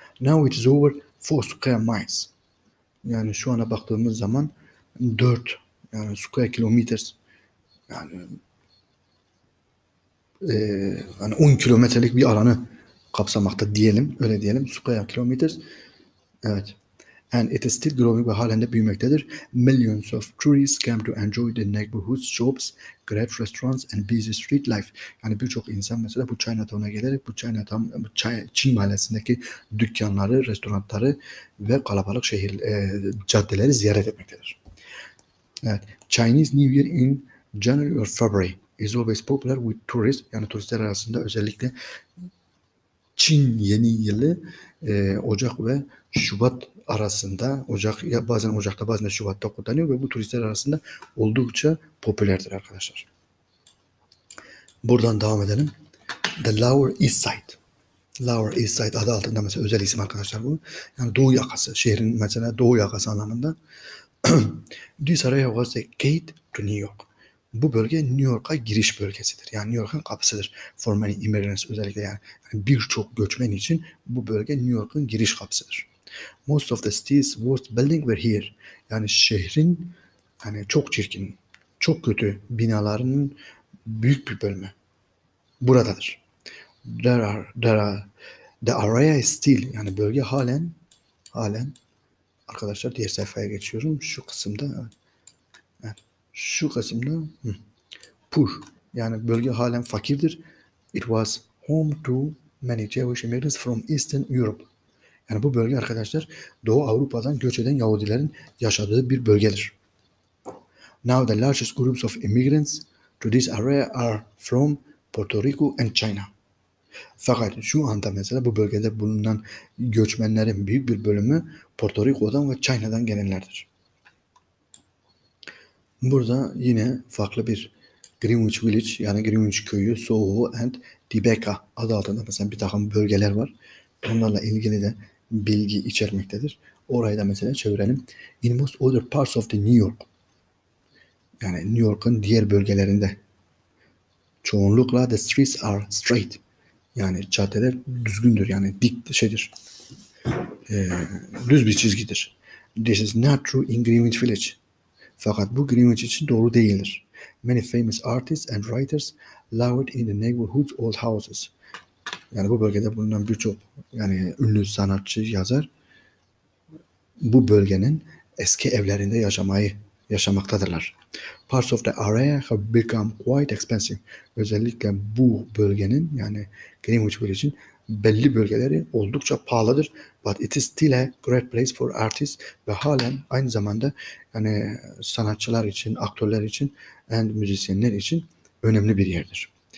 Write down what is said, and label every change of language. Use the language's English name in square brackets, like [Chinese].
[English] Now it is over 4 square miles. [Turkish] Yani şu ana baktığımız zaman 4 yani [English] square kilometers yani [Turkish] hani 10 kilometrelik bir alanı kapsamakta diyelim, öyle diyelim. [English] Square kilometers. Evet. And it is still growing [Turkish] ve halen de büyümektedir. [English] Millions of tourists came to enjoy the neighborhood's shops, great restaurants and busy street life. [Turkish] Yani birçok insan mesela bu Chinatown'a gelerek bu Çin mahallesindeki dükkanları, restoranları ve kalabalık şehir caddeleri ziyaret etmektedir. Evet. [English] Chinese New Year in January or February is always popular with tourists. [Turkish] Yani turistler arasında özellikle Çin yeni yılı Ocak ve Şubat arasında, Ocak ya bazen Ocak'ta bazen Şubat'ta kutlanıyor ve bu turistler arasında oldukça popülerdir arkadaşlar. Buradan devam edelim. The Lower East Side. Lower East Side adı altında mesela özel isim arkadaşlar bu. Yani doğu yakası, şehrin mesela doğu yakası anlamında. [English] This area was the gate to New York. [Turkish] Bu bölge New York'a giriş bölgesidir. Yani New York'un kapısıdır. [English] For many immigrants [Turkish] özellikle yani birçok göçmen için bu bölge New York'un giriş kapısıdır. [English] Most of the city's worst buildings were here. [Turkish] Yani şehrin hani çok çirkin, çok kötü binalarının büyük bir bölümü buradadır. [English] The area is still, [Turkish] yani bölge halen arkadaşlar diğer sayfaya geçiyorum. Şu kısımda poor. Yani bölge halen fakirdir. [English] It was home to many Jewish immigrants from Eastern Europe. [Turkish] Yani bu bölge arkadaşlar Doğu Avrupa'dan göç eden Yahudilerin yaşadığı bir bölgedir. [English] Now the largest groups of immigrants to this area are from Puerto Rico and China. [Turkish] Fakat şu anda mesela bu bölgede bulunan göçmenlerin büyük bir bölümü Puerto Rico'dan ve China'dan gelenlerdir. Burada yine farklı bir Greenwich Village yani Greenwich Köyü, Soho and Tribeca adı altında mesela bir takım bölgeler var. Bunlarla ilgili de bilgi içermektedir. Orayı da mesela çevirelim. [English] In most other parts of the New York. [Turkish] Yani New York'un diğer bölgelerinde çoğunlukla [English] the streets are straight. [Turkish] Yani caddeler düzgündür. Yani dik şeydir. Düz bir çizgidir. [English] This is not true in Greenwich Village. [Turkish] Fakat bu Greenwich için doğru değildir. [English] Many famous artists and writers lived in the neighborhood's old houses. [Turkish] Yani bu bölgede bulunan birçok yani ünlü sanatçı, yazar bu bölgenin eski evlerinde yaşamaktadırlar. [English] Parts of the area have become quite expensive. [Turkish] Özellikle bu bölgenin yani Greenwich Village'in belli bölgeleri oldukça pahalıdır. [English] But it is still a great place for artists [Turkish] ve halen aynı zamanda yani sanatçılar için, aktörler için and müzisyenler için önemli bir yerdir.